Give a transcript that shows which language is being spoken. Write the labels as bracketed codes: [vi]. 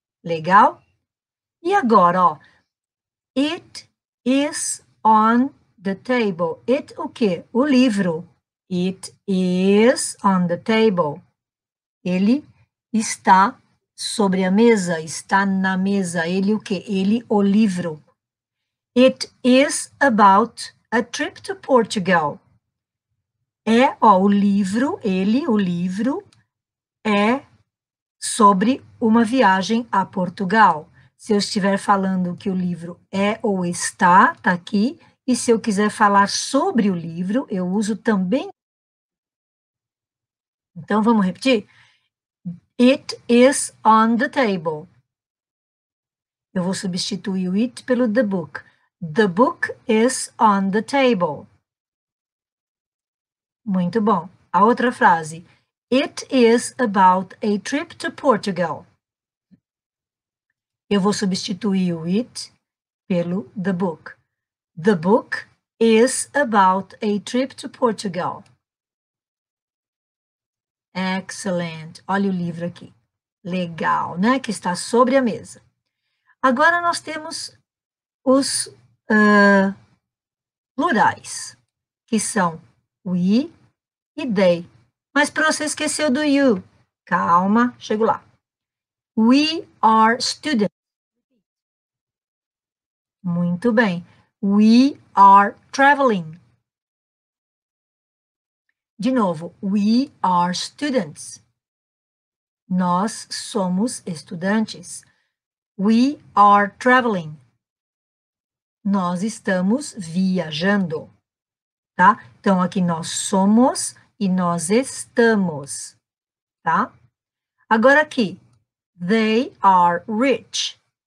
[pt] Legal? E agora, ó. [en] It is on the table. [pt] It o quê? O livro. [en] It is on the table. [pt] Ele está sobre a mesa, está na mesa. Ele o quê? Ele, o livro. [en] It is about a trip to Portugal. [pt] É, ó, o livro, ele, o livro, é sobre uma viagem a Portugal. Se eu estiver falando que o livro é ou está, tá aqui. E se eu quiser falar sobre o livro, eu uso também. Então, vamos repetir? [en] It is on the table. [pt] Eu vou substituir o it pelo the book. [en] The book is on the table. [pt] Muito bom. A outra frase. [en] It is about a trip to Portugal. [pt] Eu vou substituir o it pelo the book. [en] The book is about a trip to Portugal. [pt] Excellent. Olha o livro aqui. Legal, né? Que está sobre a mesa. Agora nós temos os plurais, que são we e they. Mas você esqueceu do you. Calma, chego lá. [en] We are students. [pt] Muito bem. [en] We are traveling. [pt] De novo, [en] we are students. [pt] Nós somos estudantes. [en] We are traveling. [pt] Nós estamos viajando, tá? Então, aqui nós somos e nós estamos, tá? Agora aqui, [en] they are rich.